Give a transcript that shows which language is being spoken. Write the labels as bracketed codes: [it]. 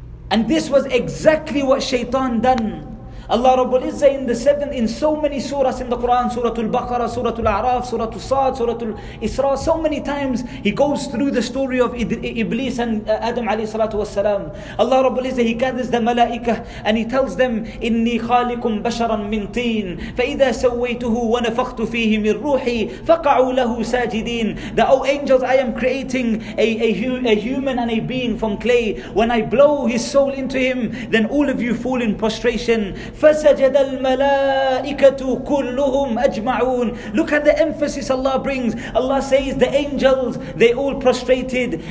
[en] And this was exactly what shaitan done. Allah Rabbul Izzah in the 7th, in so many surahs in the Quran, Surah Al-Baqarah, Surah Al-A'raf, Surah Al-Sa'd, Surah Al-Isra, so many times he goes through the story of Iblis and Adam alayhi salatu wasalam. Allah Rabbul Izzah, he gathers the malaika and he tells them, [ar] إِنِّي خَالِقٌ بَشَرًا مِّنْ تِينٍ فَإِذَا سَوَّيْتُهُ وَنَفَخْتُ فِيهِ مِنْ رُوحِي فَقَعُوا لَهُ سَاجِدِينَ. [en] That, O angels, I am creating a human and a being from clay. When I blow his soul into him, then all of you fall in prostration. [ar] فَسَجَدَ الْمَلَائِكَةُ كُلُّهُمْ أَجْمَعُونَ. [en] Look at the emphasis Allah brings. Allah says the angels, they all prostrated.